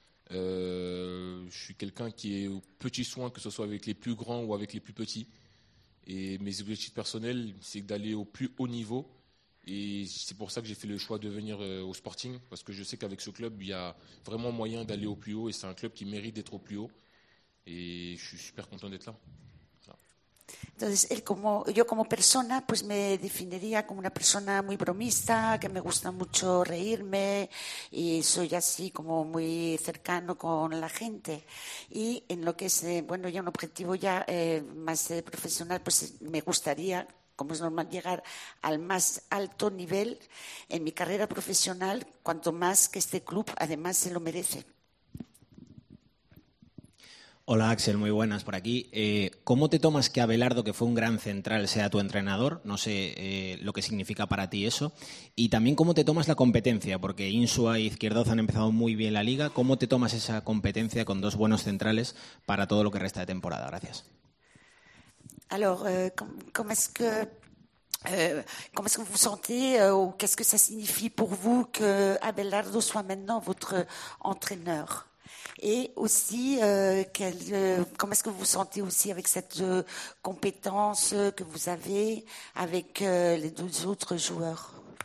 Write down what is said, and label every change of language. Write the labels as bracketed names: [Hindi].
[French] Je suis quelqu'un qui est au petit soin, que ce soit avec les plus grands ou avec les plus petits. Et mes objectifs personnels, c'est d'aller au plus haut niveau. Et c'est pour ça que j'ai fait le choix de venir au Sporting, parce que je sais qu'avec ce club, il y a vraiment moyen d'aller au plus haut, et c'est un club qui mérite d'être au plus haut. Et je suis super content d'être là. [Spanish] Entonces, yo como persona, pues me definiría como una persona muy bromista, que me gusta mucho reírme y soy así como muy cercano con la gente. Y en lo que es, ya un objetivo ya más profesional, pues me gustaría, como es normal, llegar al más alto nivel en mi carrera profesional, cuanto más que este club además se lo merece. Hola Axel, muy buenas por aquí. ¿Cómo te tomas que Abelardo, que fue un gran central, sea tu entrenador? No sé lo que significa para ti eso. Y también, ¿cómo te tomas la competencia? Porque Insua e Izquierdoz han empezado muy bien la liga. ¿Cómo te tomas esa competencia con dos buenos centrales para todo lo que resta de temporada? Gracias. ¿Cómo es que [French] vous sentez [Spanish] o qué es que [French] ça signifie pour vous que Abelardo soit maintenant votre entraîneur? Et aussi, comment est-ce que vous vous sentez aussi avec cette compétence que vous avez avec les deux autres joueurs?